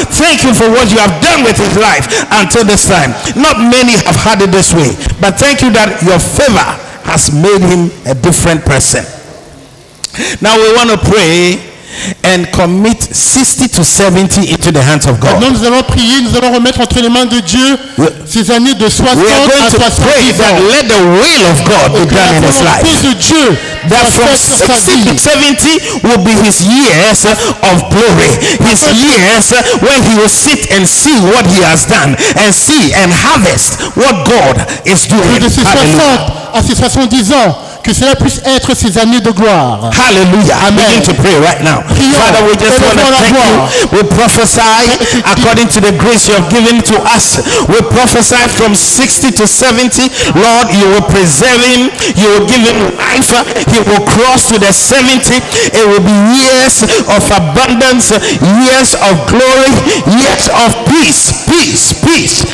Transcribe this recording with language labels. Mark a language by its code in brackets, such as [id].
[en] Thank you for what you have done with his life until this time. Not many have had it this way, but thank you that your favor has made him a different person. Now we want to pray and commit 60 to 70 into the hands of God. [fr] Maintenant, nous allons prier, nous allons remettre entre les mains de Dieu ces années de 60 à 70 ans. [en] Pray that let the will of God be done in his life. That from 60 to 70 will be his years of glory. His years when he will sit and see what he has done and see and harvest what God is doing. [fr] De ses 60 à ses 70 ans. Que cela puisse être ces années de gloire. [en] Hallelujah. Amen. Begin to pray right now. Father, we just want to thank you. We prophesy according to the grace you have given to us. We prophesy from 60 to 70. Lord, you will preserve him. You will give him life. He will cross to the 70. It will be years of abundance, years of glory, years of peace, peace, peace.